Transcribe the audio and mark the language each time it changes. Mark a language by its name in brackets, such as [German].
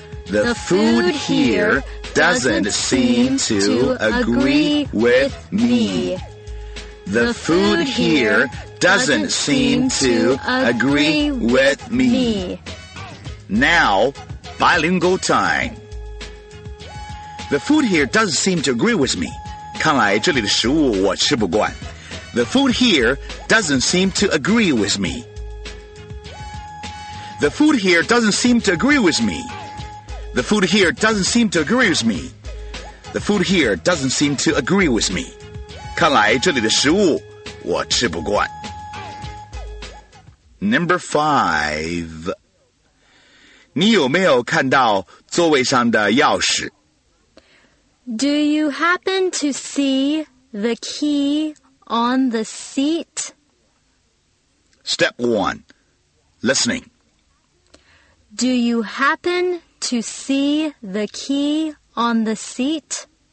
[English] The food here doesn't seem to agree with me. The food here doesn't seem to agree with me. Now,Bilingual time. The food here doesn't seem to agree with me. [Chinese] 看来这里的食物我吃不惯。 [English] The food here doesn't seem to agree with me. The food here doesn't seem to agree with me. The food here doesn't seem to agree with me. The food here doesn't seem to agree with me. [Chinese] 看来这里的食物我吃不惯。 [English] Number five. [Chinese] 你有没有看到座位上的钥匙? [English] Do you happen to see the key on the seat? Step one, listening. Do you happen to see the key on the seat?